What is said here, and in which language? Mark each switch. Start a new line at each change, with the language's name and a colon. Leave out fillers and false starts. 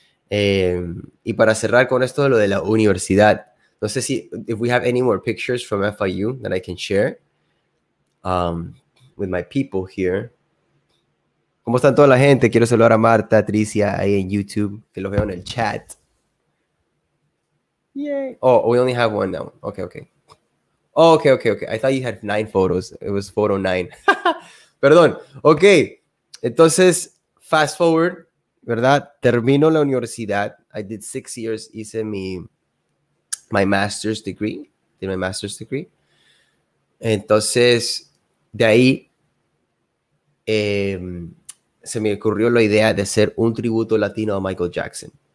Spanish: Y para cerrar con esto de lo de la universidad, no sé si,
English: if we have any more pictures from FIU that I can share with my people here.
Spanish: ¿Cómo están toda la gente? Quiero saludar a Marta, Tricia, ahí en YouTube, que los veo en el chat.
English: Yay. Oh, we only have one now. Okay. I thought you had 9 photos. It was photo 9.
Spanish: Perdón.
English: Okay.
Spanish: Entonces,
English: fast forward,
Spanish: ¿verdad? Termino la universidad.
English: I did 6 years.
Spanish: Hice
English: my master's degree. Did my master's degree.
Spanish: Entonces, de ahí, se me ocurrió la idea de hacer un tributo latino a Michael Jackson.